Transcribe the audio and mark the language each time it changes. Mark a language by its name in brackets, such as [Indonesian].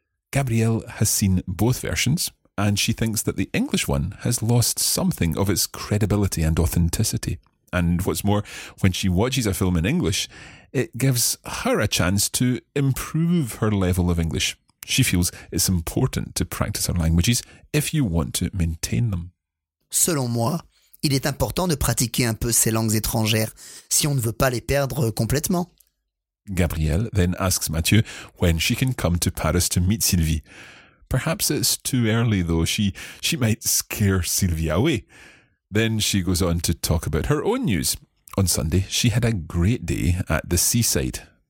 [English] Gabrielle has seen both versions, and she thinks that the English one has lost something of its credibility and authenticity. And what's more, when she watches a film in English, it gives her a chance to improve her level of English. She feels it's important to practice our languages if you want to maintain them. [French] Selon moi, il est important de pratiquer un peu ces langues étrangères si on ne veut pas les perdre complètement. [English] Gabrielle then asks Mathieu when she can come to Paris to meet Sylvie. Perhaps it's too early though, she might scare Sylvie away. Then she goes on to talk about her own news. On Sunday, she had a great day at the seaside.